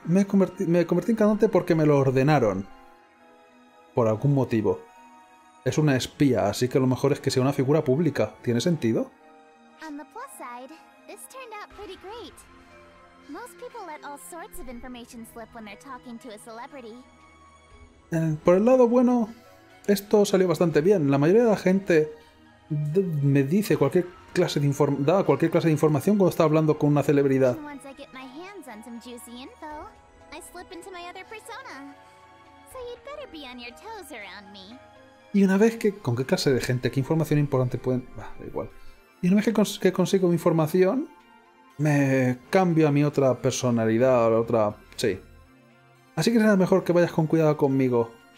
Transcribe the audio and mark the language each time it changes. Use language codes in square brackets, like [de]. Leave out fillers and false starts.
[es] Me convertí en cantante porque me lo ordenaron. Por algún motivo. Es una espía, así que lo mejor es que sea una figura pública. ¿Tiene sentido? [en] On the plus side, this turned out pretty great. Most people let all sorts of information slip when they're talking to a celebrity. [es] Por el lado bueno, esto salió bastante bien. La mayoría de la gente me dice cualquier clase de información cuando está hablando con una celebridad. [en] And once I get my hands on some juicy info, I slip into my other persona. So you'd better be on your toes around me. [es] Y una vez que con qué clase de gente, qué información importante pueden, da igual. Y una vez que consigo mi información, me cambio a mi otra personalidad, a la otra... Sí. Así que será mejor que vayas con cuidado conmigo.